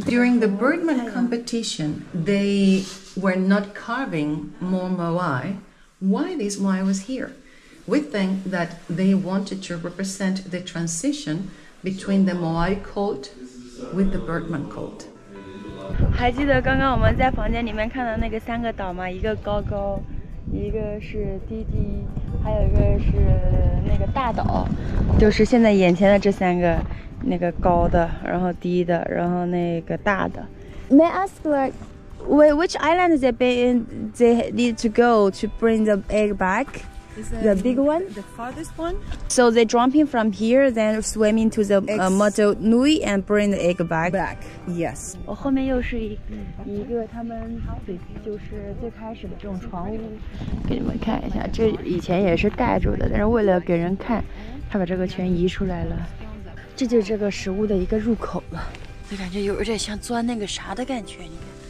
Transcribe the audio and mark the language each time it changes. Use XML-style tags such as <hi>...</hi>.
<en>During the Birdman competition, they were not carving more Moai. Why this Moai was here? We think that they wanted to represent the transition between the Moai cult with the Birdman cult.</en> <zh>还记得刚刚我们在房间里面看到那个三个岛吗？一个高高，一个是滴滴，还有一个是那个大岛，就是现在眼前的这三个，那个高的，然后低的，然后那个大的。</zh> <en>May I ask like, which island they been, they need to go to bring the egg back? The big one? The farthest one? So they jumping from here, then swimming to the Motu Nui and bring the egg back? Back, yes.</en> <zh>我后面又是一个他们就是最开始的这种船屋，给你们看一下，这以前也是盖住的，但是为了给人看，他把这个全移出来了。这就是这个食物的一个入口了。就感觉有点像钻那个啥的感觉，你看。</zh>